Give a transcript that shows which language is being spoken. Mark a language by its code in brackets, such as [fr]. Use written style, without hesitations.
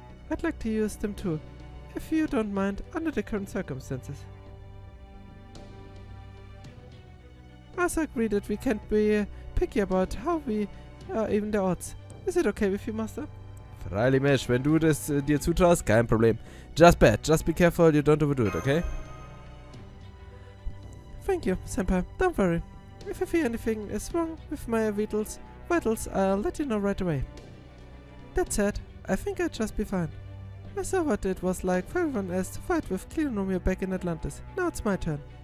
[en] I'd like to use them too, if you don't mind, under the current circumstances. I also agree that we can't be picky about how we even the odds. Is it okay with you, Master? [de] Freilich, Mensch, wenn du das dir zutraust, kein Problem. [en] Just bad, just be careful, you don't overdo it, okay? Thank you, Senpai. Don't worry. If I feel anything is wrong with my vitals, I'll let you know right away. That said, I think I'd just be fine. I saw what it was like for everyone else to fight with Clearnomia back in Atlantis. Now it's my turn.